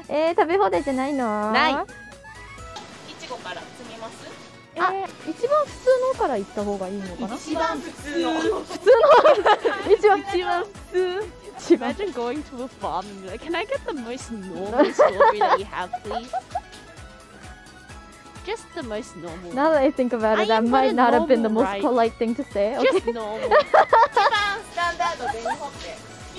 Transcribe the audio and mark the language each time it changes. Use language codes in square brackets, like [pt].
[ja] Eh, 食べ放題じゃないの? ない。いちごから摘みます? あ、一番普通のから行った方がいいのかな? 一番普通の。普通の。一番普通。 [en] Imagine going to a farm and you're like, can I get the most normal strawberry that you have, please? Just the most normal. Now that I think about it, that might not have been the most polite thing to say. Just normal. [ja] 一番スタンダード、ベニホッペ。